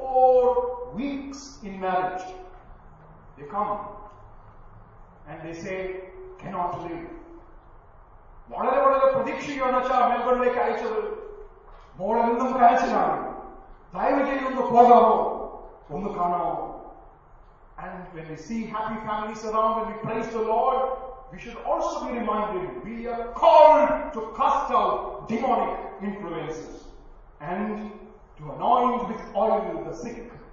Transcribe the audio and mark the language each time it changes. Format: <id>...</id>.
<en>4 weeks in marriage they come and they say cannot live.</en> <ml>വളരെ വളരെ പ്രതീക്ഷിക്കുകയാണ് വെച്ചാൽ മെൽബണിലേക്ക് അയച്ചത്. മോളെന്നും കാഴ്ചയാണ്, ദയവ് ചെയ്ത് ഒന്ന് പോകാമോ, ഒന്ന് കാണാമോ.</ml> <en>And when we see happy families around, when we praise the Lord, we should also be reminded, we are called to cast out demonic influences and to anoint with oil the sick.</en>